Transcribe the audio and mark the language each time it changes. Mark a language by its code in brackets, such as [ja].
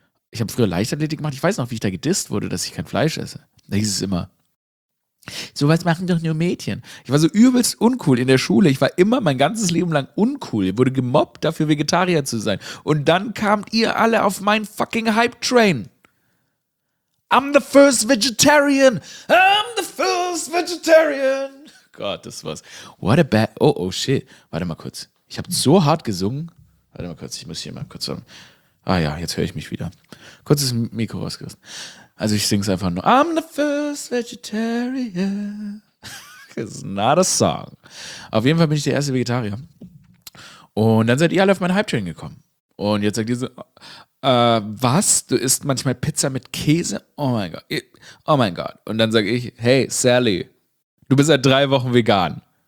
[de] Ich habe früher Leichtathletik gemacht. Ich weiß noch, wie ich da gedisst wurde, dass ich kein Fleisch esse. Da hieß es immer, sowas machen doch nur Mädchen. Ich war so übelst uncool in der Schule. Ich war immer mein ganzes Leben lang uncool. Ich wurde gemobbt, dafür Vegetarier zu sein. Und dann kamt ihr alle auf meinen fucking Hype-Train. [en] I'm the first vegetarian. I'm the first vegetarian. [de] Gott, das war's. [en] What a bad... Oh, shit. [de] Warte mal kurz. Ich habe so hart gesungen. Warte mal kurz, ich muss hier mal kurz... sagen. Ah ja, jetzt höre ich mich wieder. Kurzes Mikro rausgerissen. Also ich singe es einfach nur. [en] I'm the first vegetarian. It's not a song. [de] Auf jeden Fall bin ich der erste Vegetarier. Und dann seid ihr alle auf meinen Hype-Train gekommen. Und jetzt sagt ihr so, was? Du isst manchmal Pizza mit Käse? Oh mein Gott. Oh mein Gott. Und dann sage ich, hey Sally, du bist seit 3 Wochen vegan.